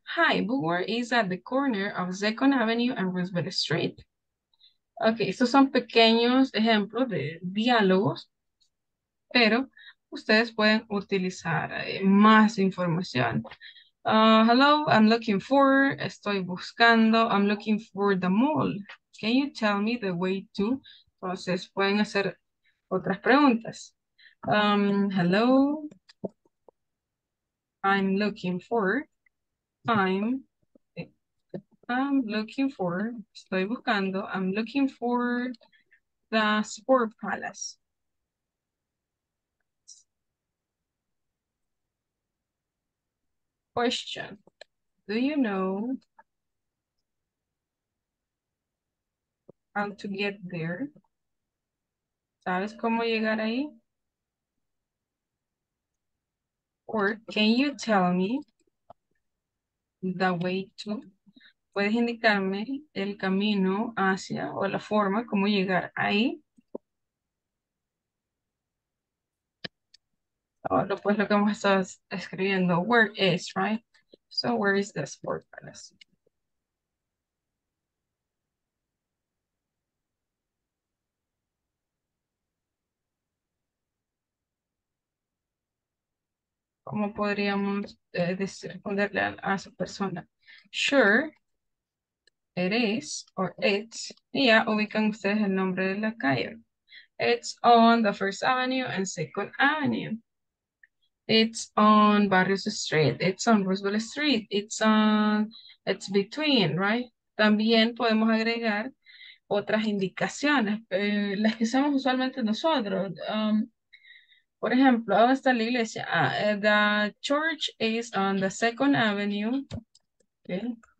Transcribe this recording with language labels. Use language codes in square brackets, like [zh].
[en] Hi, Bookwork is at the corner of Second Avenue and Roosevelt Street. [es] Ok, estos son pequeños ejemplos de diálogos, pero ustedes pueden utilizar más información. [en] Hello, I'm looking for, [es] estoy buscando, [en] I'm looking for the mall. Can you tell me the way to? [es] Entonces pueden hacer otras preguntas. [en] Hello, I'm looking for, I'm looking for, [es] estoy buscando, [en] I'm looking for the Sport Palace. Question, do you know how to get there? [es] ¿Sabes cómo llegar ahí? [en] Or can you tell me the way to? [es] ¿Puedes indicarme el camino hacia o la forma cómo llegar ahí? Oh, pues lo que hemos estado escribiendo, [en] where is, right? So where is the Sport Palace? [es] ¿Cómo podríamos responderle a su persona? [en] Sure, it is, or it's, [es] y ya ubican ustedes el nombre de la calle. [en] It's on the First Avenue and Second Avenue. It's on Barrios Street, it's on Roosevelt Street, it's on, it's between, right? [es] También podemos agregar otras indicaciones, las que usamos usualmente nosotros. Por ejemplo, ¿dónde está la iglesia? [en] The church is on the Second Avenue. Okay.